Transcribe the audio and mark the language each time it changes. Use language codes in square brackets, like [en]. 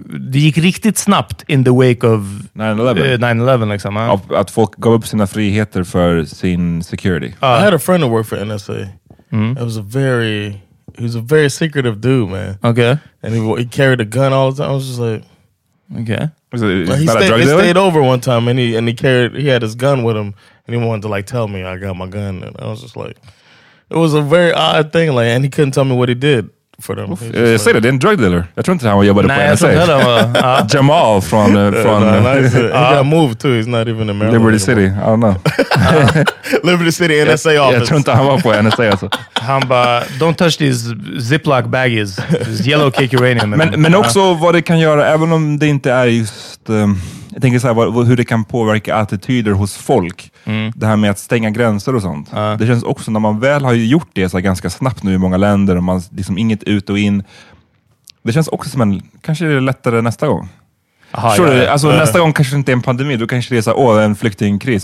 [sv] Det gick riktigt snabbt [en] in the wake of 9/11 [sv] liksom. Att folk gav upp sina friheter för sin security. [en] I had a friend who worked for NSA. It was a very... he was a very secretive dude, man. Okay. And he carried a gun all the time. I was just like, okay. Well, he stayed over one time and he carried, he had his gun with him And he wanted to like tell me I got my gun. And I was just like, it was a very odd thing. Like, and he couldn't tell me what he did for them. Oof, say like, that, drug dealer. [sv] Jag tror inte han jobbade på NSA. Jamal från... [en] he got moved too. He's not even in Maryland. Liberty City. I don't know. Liberty City NSA office. [sv] Jag tror inte han var på NSA. Han bara, [en] don't touch these Ziploc baggies. It's yellow cake uranium. [sv] Men också vad det kan göra, även om det inte är just... jag tänker så här, hur det kan påverka attityder hos folk. Mm. Det här med att stänga gränser och sånt. Det känns också, när man väl har gjort det så här, ganska snabbt nu i många länder och man liksom inget ut och in. Det känns också som en, kanske är det lättare nästa gång. Nästa gång kanske det inte är en pandemi, då kanske det är så här, en flyktingkris.